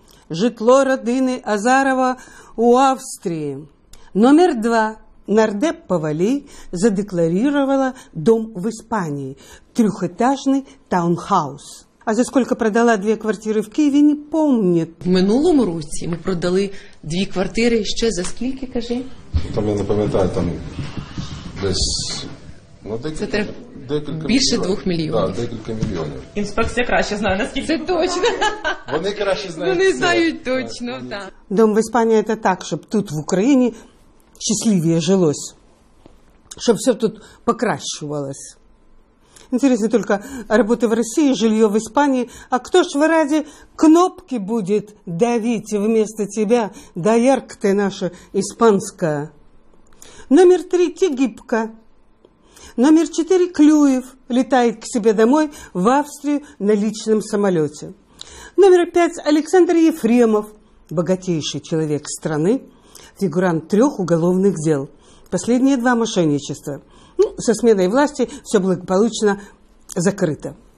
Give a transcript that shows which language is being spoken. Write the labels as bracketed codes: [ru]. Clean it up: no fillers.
[uk] Житло родины Азарова у Австрии. Номер два. [ru] Нардеп Павалий задекларировала дом в Испании. Трехэтажный таунхаус. А за сколько продала две квартиры в Києві, не помнит. [uk] В минулом році [ru] мы продали две квартиры. Еще за сколько, [uk] кажи? Там я не пам'ятаю, там десь... Ну, декілька більше мільйонів. 2 мільйонів. Так, да, декілька мільйонів. Інспекція краще знає, наскільки. Це точно. Вони краще знають. Вони знають точно, так. Да. Дом в Іспанії – це так, щоб тут в Україні щасливіше жилось. Щоб все тут покращувалось. Цікаво, тільки роботи в Росії, жилье в Іспанії. А хто ж в Раді кнопки буде давити вмісто тебе, доярка ти наша іспанська? Номер три – Тегибка. [ru] Номер четыре – Клюев летает к себе домой в Австрию на личном самолете. Номер пять – Александр Ефремов, богатейший человек страны, фигурант трех уголовных дел. Последние два – мошенничества. Ну, со сменой власти все благополучно закрыто.